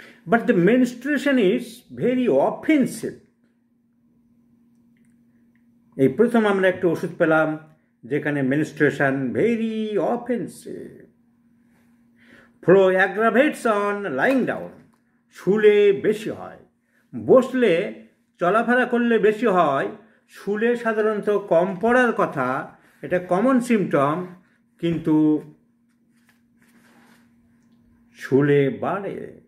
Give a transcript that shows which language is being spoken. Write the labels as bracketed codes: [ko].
[en] But the menstruation is very offensive. [bn] এই প্রথম আমরা একটা ওষুধ পেলাম যেখানে [en] menstruation very offensive. Flow aggravates on lying down. [bn] শুলে বেশি হয়, বসলে চলাফেরা করলে বেশি হয়। শুলে সাধারণত কম পড়ার কথা, এটা কমন সিমটম, কিন্তু শুলে বাড়ে।